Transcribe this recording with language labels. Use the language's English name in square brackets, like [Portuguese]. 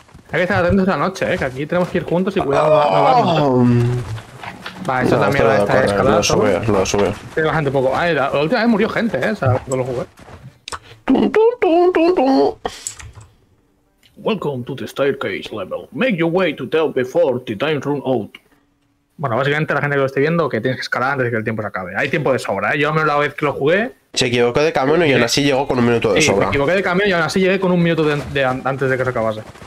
[Spanish] Hay que estar atentos a la noche, que aquí tenemos que ir juntos y cuidado. Vale, eso también va a estar escalado. Lo subió. Tiene bastante poco. Ay, la última vez murió gente, o sea, cuando lo jugué. Tum, tum, tum, tum, tum. [English] Welcome to the staircase level. Make your way to tell before the time run out. [Spanish] Bueno, básicamente la gente que lo esté viendo, que tienes que escalar antes de que el tiempo se acabe. Hay tiempo de sobra, Yo al menos la vez que lo jugué. Se equivocó de camino y aún así llegó con un minuto de sobra. Me equivoqué de camino y aún así llegué con un minuto antes de que se acabase.